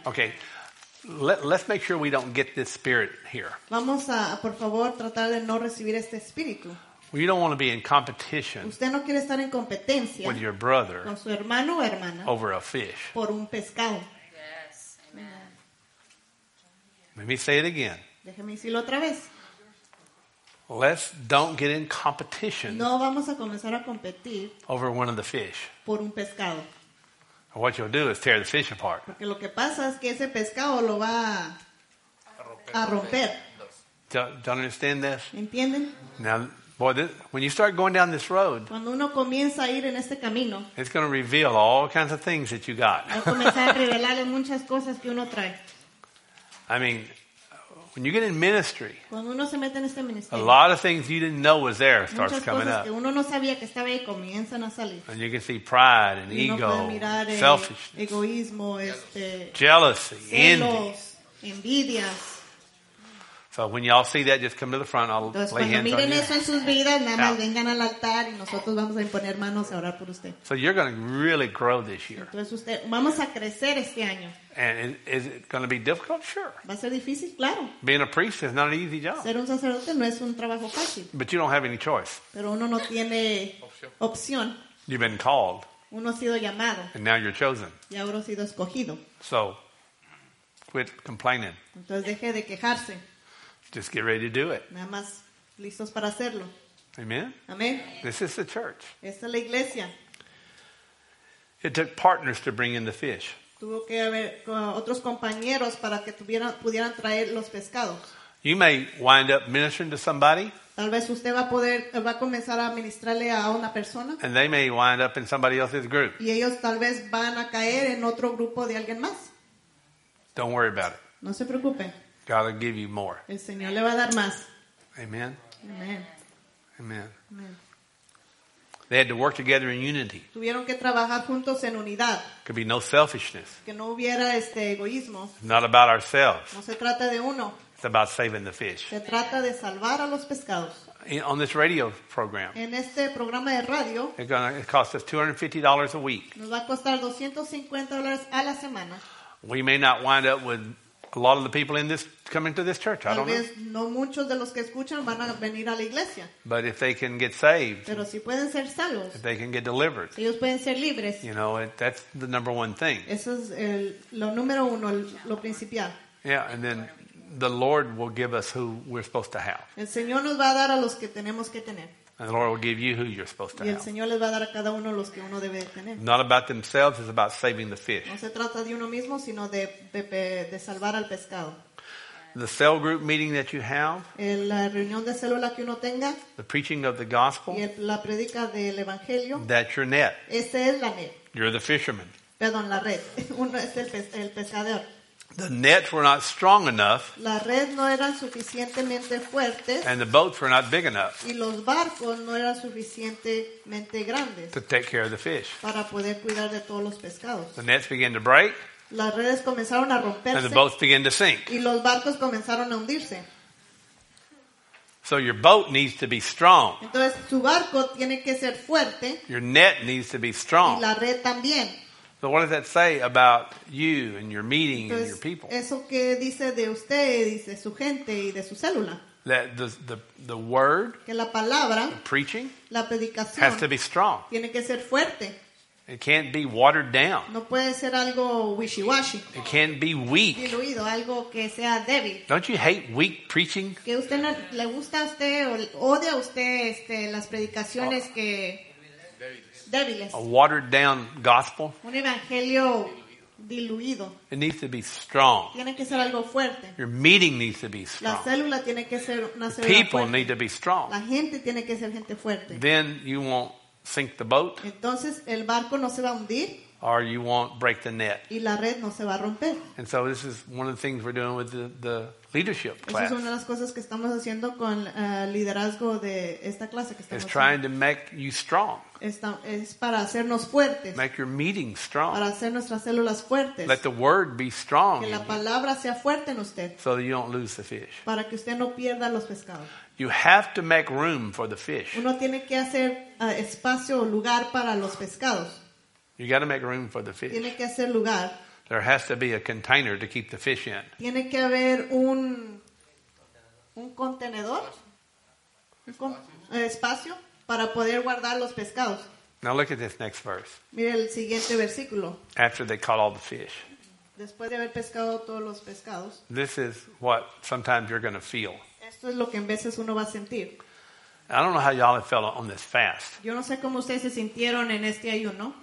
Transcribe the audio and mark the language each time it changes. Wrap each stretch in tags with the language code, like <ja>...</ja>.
<en>Okay, let's make sure we don't get this spirit here.</en> <es>Vamos a, por favor, tratar de no recibir este espíritu.</es> <en>Well, you don't want to be in competition.</en> <es>Usted no quiere estar en competencia.</es> <en>With your brother.</en> <es>Con su hermano o hermana.</es> <en>Over a fish.</en> <es>Por un pescado.</es> <en>Yes. Amen. Let me say it again.</en> <es>Déjeme decirlo otra vez.</es> <en>Let's don't get in competition.</en> <es>No vamos a comenzar a competir</es> <en>over one of the fish.</en> <es>Por un pescado.</es> <en>What you'll do is tear the fish apart.</en> <es>Porque lo que pasa es que ese pescado lo va a romper.</es> <en>Don't understand this?</en> <es>¿Entienden?</es> <en>Now, boy, when you start going down this road,</en> <es>cuando uno comienza a ir en este camino,</es> <en>it's going to reveal all kinds of things that you got.</en> <es>Va a comenzar a revelarle muchas cosas que uno trae.</es> <en>I mean, when you get in ministry,</en> <es>cuando uno se mete en este ministerio,</es> <en>a lot of things you didn't know was there starts coming up.</en> <es>Que uno no sabía que estaba ahí comienzan a salir.</es> <en>And you can see pride and ego, selfishness,</en> <es>egoísmo,</es> <en>jealousy,</en> <es>celos, envidias.</es> <en>So when y'all see that, just come to the front. I'll</en> <es>Entonces,</es> <en>lay hands on</en> <es>eso</es> <en>you.</en> <es>En sus vidas, nada más vengan al altar y nosotros vamos a imponer manos a orar por usted.</es> <en>So you're going to really grow this year.</en> <es>Entonces usted, vamos a crecer este año.</es> <en>And is it going to be difficult? Sure.</en> <es>Va a ser difícil, claro.</es> <en>Being a priest is not an easy job.</en> <es>Ser un sacerdote no es un trabajo fácil.</es> <en>But you don't have any choice.</en> <es>Pero uno no tiene opción.</es> <en>You've been called.</en> <es>Uno ha sido llamado.</es> <en>And now you're chosen.</en> <es>Y ahora ha sido escogido.</es> <en>So quit complaining.</en> <es>Entonces deje de quejarse.</es> <en>Just get ready to do it.</en> <es>Nada más listos para hacerlo.</es> <en>Amen.</en> <es>Amen.</es> <en>This is the church.</en> <es>Esta es la iglesia.</es> <en>It took partners to bring in the fish.</en> <es>Tuvo que haber otros compañeros para que pudieran traer los pescados.</es> <en>You may wind up ministering to somebody.</en> <es>Tal vez usted va a comenzar a ministrarle a una persona.</es> <en>And they may wind up in somebody else's group.</en> <es>Y ellos tal vez van a caer en otro grupo de alguien más.</es> <en>Don't worry about it.</en> <es>No se preocupe.</es> <en>God will give you more.</en> <es>El Señor le va a dar más.</es> <en>Amen.</en> <es>Amen. Amen. Amen.</es> <en>They had to work together in unity.</en> <es>Tuvieron que trabajar juntos en unidad.</es> <en>Could be no selfishness.</en> <es>Que no hubiera este egoísmo.</es> <en>Not about ourselves.</en> <es>No se trata de uno.</es> <en>It's about saving the fish.</en> <es>Se trata de salvar a los pescados.</es> <en>On this radio program.</en> <es>En este programa de radio.</es> <en>It costs us $250 a week.</en> <es>Nos va a costar $250 a la semana.</es> <en>We may not wind up with a lot of the people in this coming to this church. I don't know.</en> <es>Tal vez no muchos de los que escuchan van a venir a la iglesia.</es> <en>But if they can get saved.</en> <es>Pero si pueden ser salvos.</es> <en>If they can get delivered.</en> <es>Si ellos pueden ser libres.</es> <en>You know, that's the number one thing.</en> <es>Eso es lo número uno, lo principal.</es> <en>Yeah, and then the Lord will give us who we're supposed to have.</en> <es>El Señor nos va a dar a los que tenemos que tener.</es> <en>And the Lord will give you who you're supposed to have.</en> <es>Y el Señor les va a dar a cada uno los que uno debe tener.</es> <en>Not about themselves, it's about saving the fish.</en> <es>No se trata de uno mismo, sino de salvar al pescado.</es> <en>The cell group meeting that you have.</en> <es>En la reunión de célula que uno tenga.</es> <en>The preaching of the gospel.</en> <es>Y la predica del evangelio.</es> <en>That's your net.</en> <es>Ese es la net.</es> <en>You're the fisherman.</en> <es>Perdón, la red. Uno es el pescador.</es> <en>The nets were not strong enough.</en> <es>La red no eran suficientemente fuertes.</es> <en>And the boats were not big enough.</en> <es>Y los barcos no eran suficientemente grandes.</es> <en>To take care of the fish.</en> <es>Para poder cuidar de todos los pescados.</es> <en>The nets began to break.</en> <es>Las redes comenzaron a romperse.</es> <en>And the boats began to sink.</en> <es>Y los barcos comenzaron a hundirse.</es> <en>So your boat needs to be strong.</en> <es>Entonces su barco tiene que ser fuerte.</es> <en>Your net needs to be strong.</en> <es>Y la red también.</es> <en>So what does that say about you and your meeting</en> <es>Entonces,</es> <en>and your people?</en> <es>Eso que dice de usted, dice su gente y de su célula.</es> <en>That the word,</en> <es>que la palabra,</es> <en>the preaching,</en> <es>la predicación,</es> <en>has to be strong.</en> <es>Tiene que ser fuerte.</es> <en>It can't be watered down.</en> <es>No puede ser algo</es> <en>wishy-washy. It can't be weak.</en> <es>Diluido, algo que sea débil.</es> <en>Don't you hate weak preaching?</en> <es>Que usted no, le gusta a usted o odia a usted este, las predicaciones que...</es> <en>A watered down gospel.</en> <es>Un evangelio diluido.</es> <en>It needs to be strong.</en> <es>Tiene que ser algo fuerte.</es> <en>Your meeting needs to be strong.</en> <es>La célula tiene que ser una célula</es> <en>People</en> <es>fuerte.</es> <en>Need to be strong.</en> <es>La gente tiene que ser gente fuerte.</es> <en>Then you won't sink the boat.</en> <es>Entonces el barco no se va a hundir.</es> <en>Or you won't break the net.</en> <es>Y la red no se va a romper.</es> <en>And so this is one of the things we're doing with the leadership class.</en> <es>Esa es una de las cosas que estamos haciendo con liderazgo de esta clase que estamos haciendo.</es> <en>It's trying to make you strong.</en> <es>Es para hacernos fuertes.</es> <en>Make your meeting strong.</en> <es>Para hacer nuestras células fuertes.</es> <en>Let the word be strong.</en> <es>Que la palabra sea fuerte en usted.</es> <en>So that you don't lose the fish.</en> <es>Para que usted no pierda los pescados.</es> <en>You have to make room for the fish.</en> <es>Uno tiene que hacer espacio o lugar para los pescados.</es> <en>You got to make room for the fish.</en> <es>Tiene que hacer lugar.</es> <en>There has to be a container to keep the fish in.</en> <es>Tiene que haber un contenedor, espacio para poder guardar los pescados.</es> <en>Now look at this next verse.</en> <es>Mira el siguiente versículo.</es> <en>After they caught all the fish.</en> <es>Después de haber pescado todos los pescados.</es> <en>This is what sometimes you're going to feel.</en> <es>Esto es lo que en veces uno va a sentir.</es> <en>I don't know how y'all have felt on this fast.</en> <es>Yo no sé cómo ustedes se sintieron en este ayuno.</es>